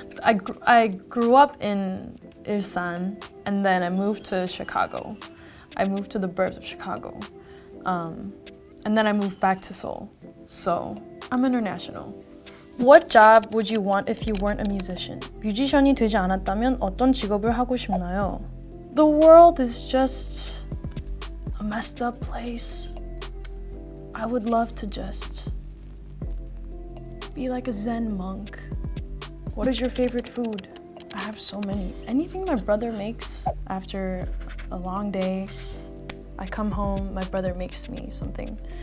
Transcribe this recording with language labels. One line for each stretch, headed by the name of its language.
English: I grew up in Ilsan, and then I moved to Chicago. I moved to the burbs of Chicago. And then I moved back to Seoul. So, I'm international. What job would you want if you weren't a musician?
Korean: 뮤지션이 되지 않았다면 어떤 직업을 하고 싶나요?
English: The world is just a messed up place. I would love to just be like a Zen monk. What is your favorite food? I have so many. Anything my brother makes after a long day, I come home, my brother makes me something.